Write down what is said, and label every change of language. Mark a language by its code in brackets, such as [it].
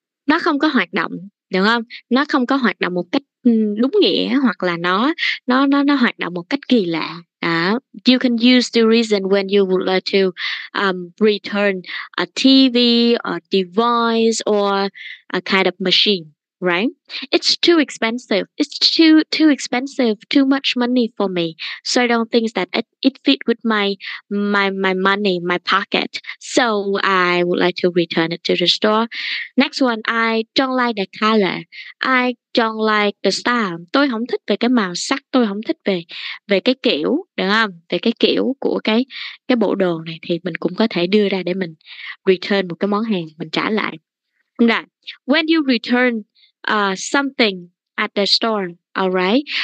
[vi] Nó không có hoạt động, đúng không? Nó không có hoạt động một cách đúng nghĩa hoặc là nó hoạt động một cách kỳ lạ. [en] You can use the reason when you would like to return a TV, a device, or a kind of machine, right? It's too expensive. It's too expensive, too much money for me. So I don't think that it fit with my money, my pocket. So I would like to return it to the store. Next one, I don't like the color. I don't like the style. [vi] Tôi không thích về cái màu sắc, tôi không thích về cái kiểu, được không? Về cái kiểu của cái bộ đồ này thì mình cũng có thể đưa ra để mình return một cái món hàng, mình trả lại. [en] Right. When you return something at the store, all right?